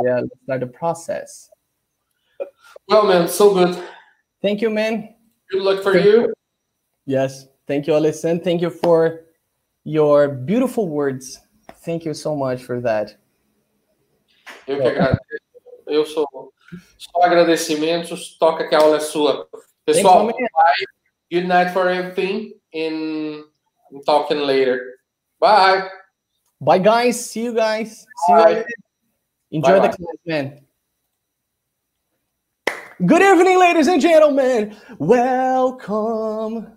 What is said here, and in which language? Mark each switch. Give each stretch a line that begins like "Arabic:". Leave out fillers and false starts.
English: Yeah, let's start the process. Well, man, so good. Thank you, man. Good luck for you. Yes. Thank you, Alessandro. Thank you for your beautiful words. Thank you so much for that.
Portuguese: Eu que agradeço. Eu sou só agradecimentos. Toca que a aula é sua. Pessoal, bye.
English: Good night for everything. And I'm talking later. Bye. Bye, guys. See you, guys. Bye. See you. Enjoy the class, man. Good evening, ladies and gentlemen. Welcome.